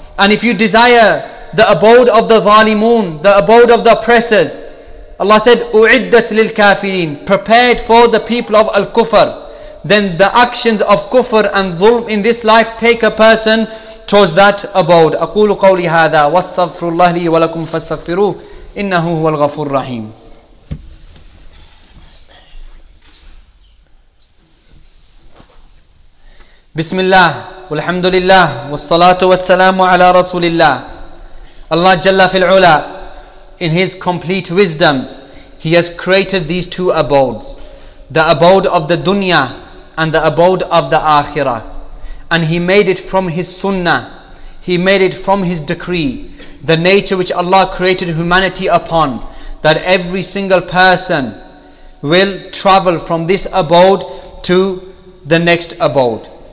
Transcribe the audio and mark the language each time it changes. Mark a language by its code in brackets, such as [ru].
[en] And if you desire the abode of the zalimun, the abode of the oppressors, Allah said, [ar] "U'iddat lil kafirin," [en] prepared for the people of al-kufr. Then the actions of kufr and dhulm in this life take a person towards that abode. [ar] أقول قولي هذا واستغفر الله لي ولكم فاستغفروه إنه هو الغفور الرحيم. بسم الله والحمد لله والصلاة والسلام على رسول الله. [en] Allah Jalla fil Ula, in His complete wisdom, He has created these two abodes, the abode of the dunya and the abode of the akhirah. And He made it from His sunnah, He made it from His decree, the nature which Allah created humanity upon, that every single person will travel from this abode to the next abode.